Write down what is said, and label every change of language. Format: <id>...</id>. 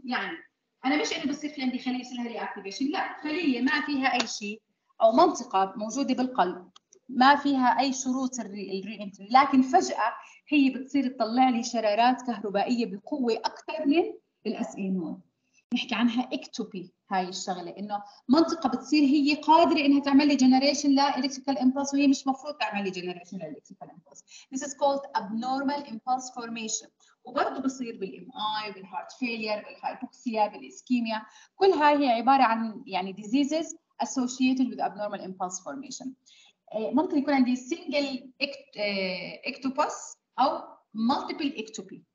<ar>يعني أنا مش إنه بصير في عندي خلية يصير لها ريأكتيفيشن، لا، خلية ما فيها أي شيء أو منطقة موجودة بالقلب ما فيها أي شروط الريانتري، لكن فجأة هي بتصير تطلع لي شرارات كهربائية بقوة أكثر من الأس إن 1. نحكي عنها إكتوبي هاي الشغلة، إنه منطقة بتصير هي قادرة إنها تعمل لي جنريشن لإلكتريكال إمبلس وهي مش مفروض تعمل لي جنريشن لإلكتريكال إمبلس.</ar> <en>This is called abnormal impulse formation.</en> <ar>وبرضو بصير بالإم آي، بالهارت فيلير، بالهايبوكسيا، بالإسكيميا. كل هاي هي عبارة عن يعني</ar> <en>diseases associated with abnormal impulse formation.</en> <ar>ممكن يكون عندي single إكتوبوس أو multiple إكتوبي.</ar>